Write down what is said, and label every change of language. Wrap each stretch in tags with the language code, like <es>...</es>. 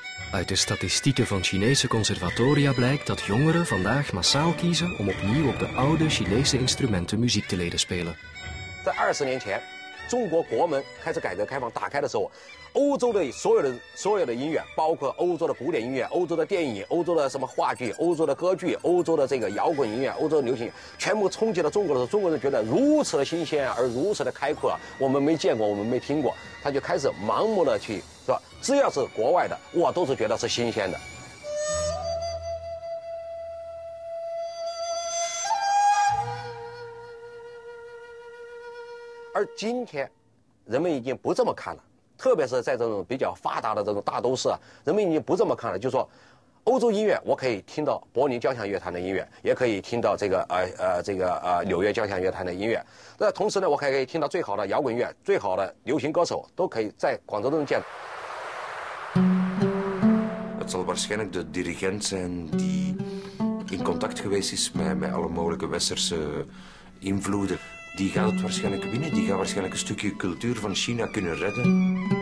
<nl>Uit de statistieken van Chinese conservatoria blijkt dat jongeren vandaag massaal kiezen om opnieuw op de oude Chinese instrumenten muziek te leren spelen. 20 jaar geleden,</nl> <zh>中国国门开始改革开放打开的时候，欧洲的所有的音乐，包括欧洲的古典音乐、欧洲的电影、欧洲的什么话剧、欧洲的歌剧、欧洲的这个摇滚音乐、欧洲的流行，全部冲击了中国的时候，中国人觉得如此的新鲜而如此的开阔，我们没见过，我们没听过，他就开始盲目的去，是吧？只要是国外的，我都是觉得是新鲜的。而今天，人们已经不这么看了，特别是在这种比较发达的这种大都市啊，人们已经不这么看了。就是说，欧洲音乐我可以听到柏林交响乐团的音乐，也可以听到这个纽约交响乐团的音乐。那同时呢，我还可以听到最好的摇滚乐、最好的流行歌手，都可以在广州都能见。</zh> <nl>Het zal waarschijnlijk de dirigent zijn die in contact geweest is met alle mogelijke westerse invloeden. Die gaat het waarschijnlijk winnen, die gaat waarschijnlijk een stukje cultuur van China kunnen redden.</nl>